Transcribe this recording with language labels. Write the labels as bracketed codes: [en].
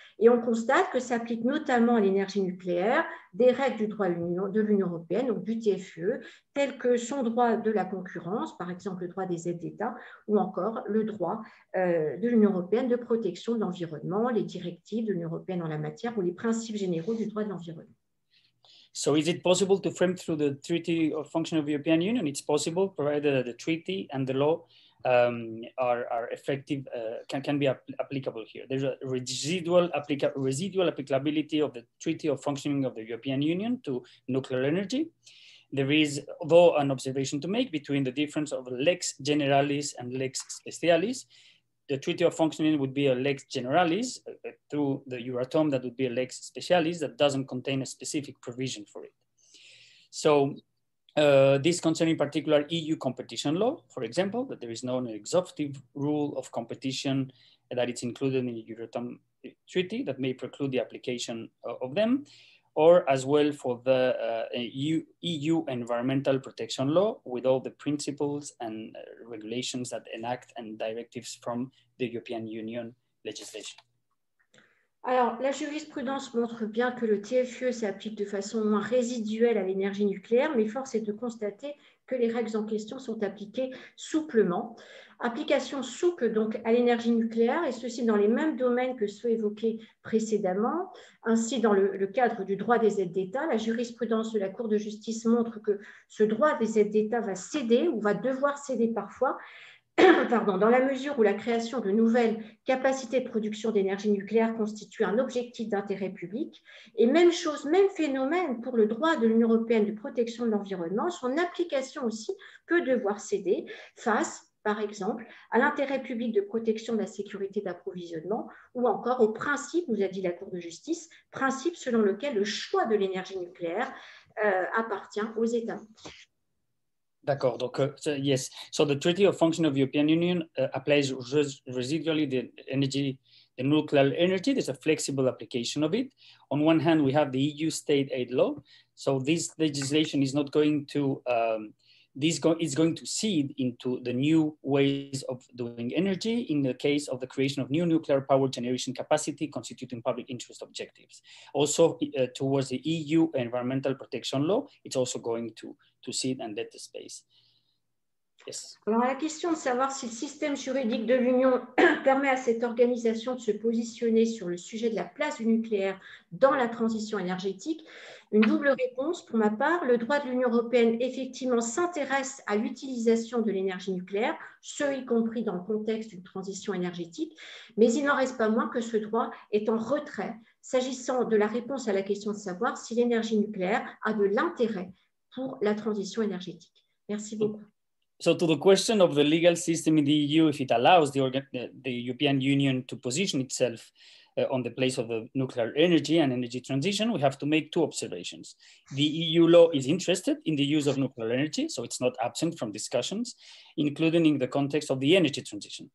[fr] Et on constate que s'applique notamment à l'énergie nucléaire des règles du droit de l'Union européenne, donc du TFUE, telles que son droit de la concurrence, par exemple le droit des aides d'État, ou encore le droit de l'Union européenne de protection de l'environnement, les directives de l'Union européenne en la matière ou les principes généraux du droit de l'environnement. [en] So is it possible to frame through the Treaty of Function of the European Union? It's possible, provided that the treaty and the law are effective, can be applicable here. There's a residual applicability of the Treaty of Functioning of the European Union to nuclear energy. There is, though, an observation to make between the difference of lex generalis and lex specialis. The Treaty of Functioning would be a lex generalis through the Euratom, that would be a lex specialis that doesn't contain a specific provision for it. So this concerns in particular EU competition law, for example, that there is no exhaustive rule of competition that it's included in the Euratom treaty that may preclude the application of them, or as well for the EU environmental protection law with all the principles and regulations that enact and directives from the European Union legislation. [fr] Alors, la jurisprudence montre bien que le TFUE s'applique de façon moins résiduelle à l'énergie nucléaire, mais force est de constater que les règles en question sont appliquées souplement. Application souple donc à l'énergie nucléaire, et ceci dans les mêmes domaines que ceux évoqués précédemment. Ainsi, dans le cadre du droit des aides d'État, la jurisprudence de la Cour de justice montre que ce droit des aides d'État va céder, ou va devoir céder parfois, pardon, dans la mesure où la création de nouvelles capacités de production d'énergie nucléaire constitue un objectif d'intérêt public. Et même chose, même phénomène pour le droit de l'Union européenne de protection de l'environnement, son application aussi peut devoir céder face, par exemple, à l'intérêt public de protection de la sécurité d'approvisionnement ou encore au principe, nous a dit la Cour de justice, principe selon lequel le choix de l'énergie nucléaire appartient aux États. D'accord. Donc, yes. [en] So the Treaty of Function of the European Union applies residually the energy, the nuclear energy. There's a flexible application of it. On one hand, we have the EU state aid law. So this legislation is not going to, it's going to seed into the new ways of doing energy in the case of the creation of new nuclear power generation capacity constituting public interest objectives. Also towards the EU environmental protection law, it's also going to seed and let the space. Yes. [fr] Alors la question de savoir si le système juridique de l'Union permet à cette organisation de se positionner sur le sujet de la place du nucléaire dans la transition énergétique, une double réponse pour ma part. Le droit de l'Union européenne effectivement s'intéresse à l'utilisation de l'énergie nucléaire, ce y compris dans le contexte d'une transition énergétique, mais il n'en reste pas moins que ce droit est en retrait s'agissant de la réponse à la question de savoir si l'énergie nucléaire a de l'intérêt pour la transition énergétique. Merci beaucoup. [en] So to the question of the legal system in the EU, if it allows the European Union to position itself on the place of the nuclear energy and energy transition, we have to make two observations. The EU law is interested in the use of nuclear energy, so it's not absent from discussions, including in the context of the energy transition.